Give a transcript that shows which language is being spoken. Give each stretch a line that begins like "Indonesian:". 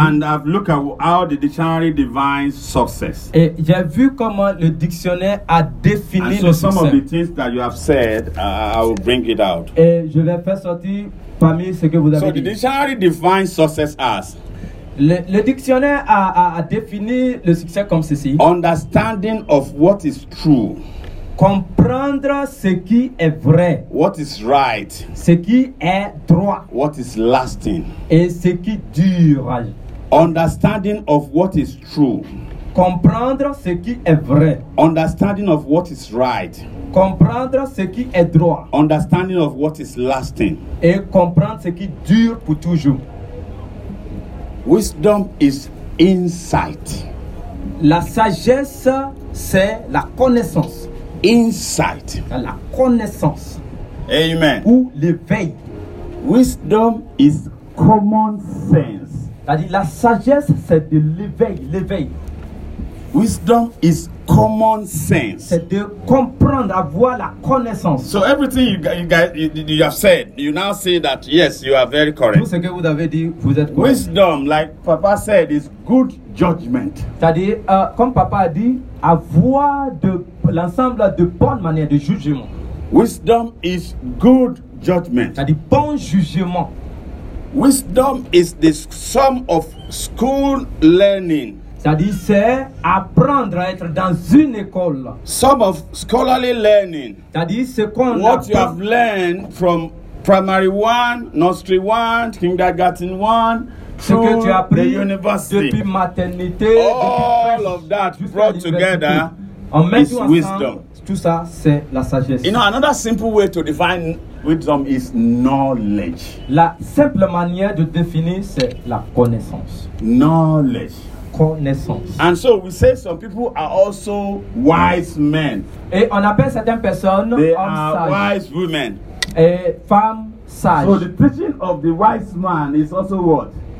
English: And I've looked at how the dictionary defines success.
French: Et j'ai vu comment le dictionnaire a défini
English: so
French: le succès.
English: And some of the things that you have said, I will bring it out.
French: Et je vais faire sortir parmi ce que vous avez dit.
English: So the dictionary defines success as.
French: Le dictionnaire a défini le succès comme ceci.
English: Understanding of what is true.
French: Comprendre ce qui est vrai.
English: What is right.
French: Ce qui est droit.
English: What is lasting.
French: Et ce qui dure.
English: Understanding of what is true.
French: Comprendre ce qui est vrai.
English: Understanding of what is right.
French: Comprendre ce qui est droit.
English: Understanding of what is lasting.
French: Et comprendre ce qui dure pour toujours.
English: Wisdom is insight.
French: La sagesse, c'est la connaissance.
English: Insight.
French: La connaissance.
English: Amen.
French: Ou l'éveil.
English: Wisdom is common sense.
French: C'est-à-dire la sagesse, c'est de l'éveil. L'éveil.
English: Wisdom is common sense.
French: C'est de comprendre, avoir la connaissance.
English: So everything you guys have said, you now say that yes, you are very correct.
French: Tout ce que vous avez dit, vous êtes correct.
English: Wisdom, like Papa said, is good judgment.
French: C'est-à-dire, comme Papa a dit, avoir de l'ensemble de bonnes manières de jugement.
English: Wisdom is good judgment.
French: C'est-à-dire bon jugement.
English: Wisdom is the sum of school learning.
French: C'est-à-dire c'est apprendre à être dans une école.
English: Sum of scholarly learning.
French: C'est-à-dire ce qu'on
English: What you have learned from primary one, nursery one, kindergarten one,
French: ce que tu as pris depuis maternité,
English: all of that brought together is wisdom.
French: Tout ça, c'est la sagesse.
English: You know, another simple way to define wisdom is knowledge.
French: La simple manière de définir, c'est la connaissance.
English: Knowledge.
French: Connaissance.
English: And so we say some people are also wise men.
French: Et on appelle certaines personnes
English: they
French: hommes
English: are
French: sages.
English: Wise women.
French: Et femmes sages.
English: So the preaching of the wise man is also what?